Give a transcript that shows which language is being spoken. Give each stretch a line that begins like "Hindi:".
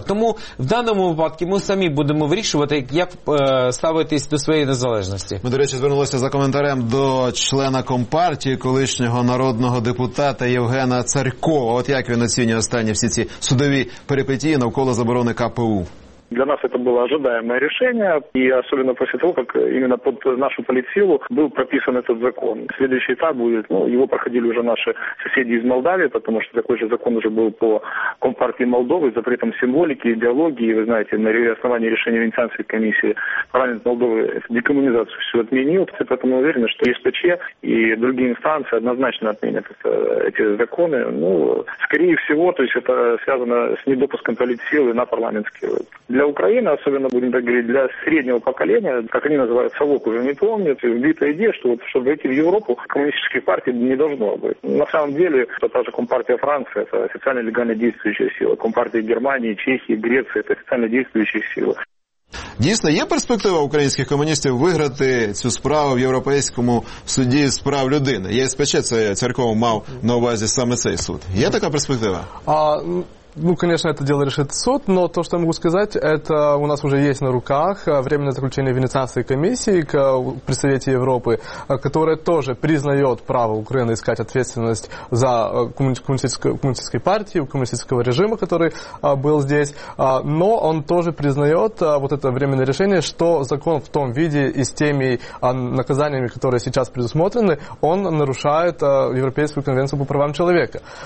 Ukrainian: Тому в даному випадку ми самі будемо вирішувати, як ставитись до своєї незалежності. Ми, до речі, звернулися за коментарем до члена Компартії, колишнього народного депутата Євгена Царькова. От як він оцінює останні всі ці судові перипетії навколо заборони КПУ?
Russian: Для нас это было ожидаемое решение, и особенно после того, как именно под нашу политсилу был прописан этот закон. Следующий этап будет, ну, его проходили уже наши соседи из Молдавии, потому что такой же закон уже был по Компартии Молдовы, запретом символики, идеологии. Вы знаете, на основании решения Венецианской комиссии парламент Молдовы декоммунизацию все отменил. Поэтому уверены, что ЕСПЧ и другие инстанции однозначно отменят эти законы. Ну, скорее всего, то есть это связано с недопуском политсилы на парламентские выборы. для Украины, особенно, будем так говорить, для среднего поколения, как они называют, совок уже не помнят, вбитая идея, что вот, чтобы войти в Европу, коммунистических партий не должно быть. На самом деле, это та же Компартия Франции, это официально легально действующая сила. Компартия Германии, Чехии, Греции, это официально действующая сила.
Ukrainian: Дійсно, є перспектива українських комуністів виграти цю справу в Європейському суді з прав людини? ЄСПЧ, це Цвірков мав на увазі саме цей суд. Є така перспектива?
Russian: Ну, конечно, это дело решит суд, но то, что я могу сказать, это у нас уже есть на руках временное заключение Венецианской комиссии к представителю Европы, которая тоже признает право Украины искать ответственность за коммунистическую партию, коммунистического режима, который был здесь, но он тоже признает вот это временное решение, что закон в том виде и с теми наказаниями, которые сейчас предусмотрены, он нарушает Европейскую конвенцию по правам человека.